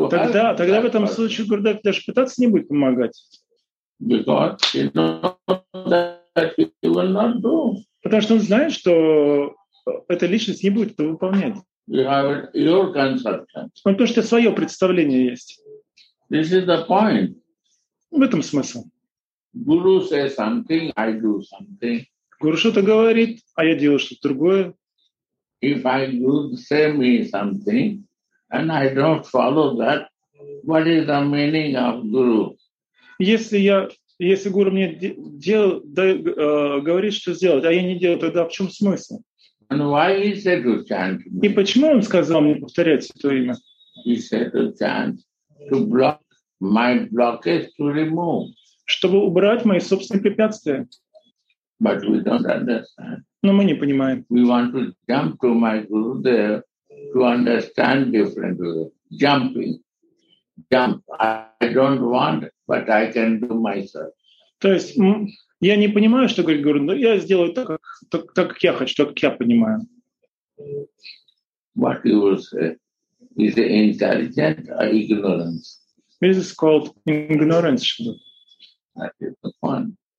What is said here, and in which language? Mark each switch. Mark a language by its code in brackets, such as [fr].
[ru] Тогда в этом случае Гурудев даже пытаться не будет помогать. [en] Because he knows that he will not do. [ru] Потому что он знает, что эта личность не будет это выполнять. [en] You have your conception. [ru] Потому что свое представление есть. [en] This is the point. [ru] В этом смысл. [en] Guru says something, I do something. [ru] Гуру что-то говорит, а я делаю что-то другое. [en] If I do say me something, and I don't follow that, what is the meaning of guru? [ru] Если гуру мне говорит, что сделать, а я не делаю, тогда в чем смысл? [en] And why he said to chant? [ru] И почему он сказал мне повторять это имя? [en] He said to chant to block. My blockage to remove. [ru] Чтобы убрать мои собственные препятствия. [en] But we don't understand. [ru] Но мы не понимаем. [en] We want to jump to my guru there to understand different ways. Jumping. Jump. I don't want, but I can do myself. [ru] То есть я не понимаю, что говорит гуру, но я сделаю так, как я хочу, так, как я понимаю. [en] What you will say? Is it intelligent or ignorance? This is called ignorance, Шибурда.